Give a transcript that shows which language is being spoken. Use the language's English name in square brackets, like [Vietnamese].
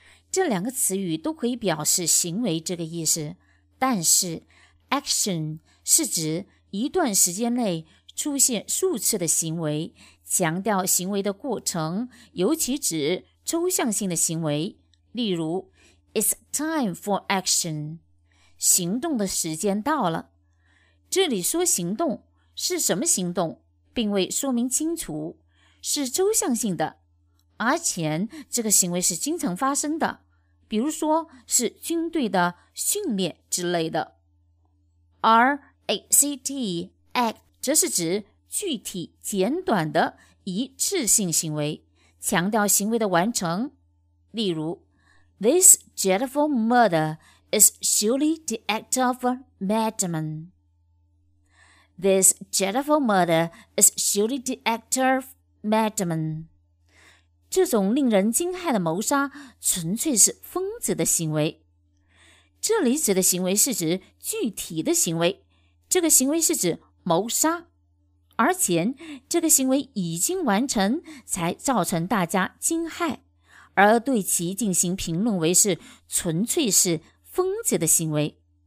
[Chinese] 这两个词语都可以表示行为这个意思，但是 action 是指一段时间内出现数次的行为，强调行为的过程，尤其指抽象性的行为，例如 [English] It's time for action, [Chinese] 行动的时间到了。这里说行动是什么行动并未说明清楚，是抽象性的，而且这个行为是经常发生的，比如说是军队的训练之类的。而 ACT act 则是指具体简短的一次性行为，强调行为的完成，例如 [English] This dreadful murder is surely the act of a madman. This dreadful murder is surely the act of madman. [Chinese] 这种令人惊骇的谋杀纯粹是疯子的行为。这里指的行为是指具体的行为，这个行为是指谋杀，而且这个行为已经完成才造成大家惊骇，而对其进行评论为是纯粹是疯子的行为。